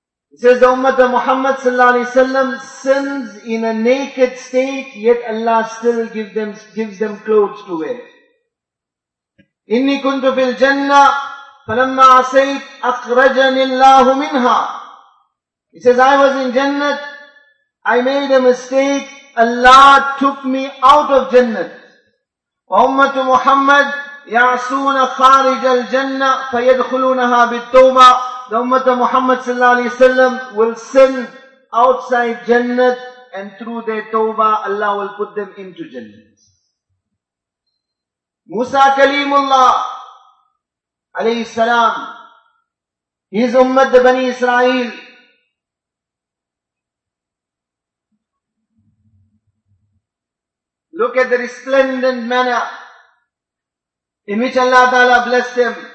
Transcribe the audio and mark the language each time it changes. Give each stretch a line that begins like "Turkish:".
English: He says, the Ummah of Muhammad sallallahu alayhi wa sallam sins in a naked state, yet Allah still gives them clothes to wear.
Arabic: إني كنت في الجنة فلما عصيت أخرجني الله منها.
English: He says, I was in Jannah, I made a mistake, Allah took me out of Jannah.
Arabic: وأمة محمد يعصون خارج الجنة فيدخلونها بالتوبة.
English: The Ummah of Muhammad sallallahu alayhi wa sallam will sin outside Jannah and through their tawbah Allah will put them into Jannah. Musa Kalimullah alayhi salam, his ummah, the Bani Israel, look at the resplendent manner in which Allah Ta'ala blessed him.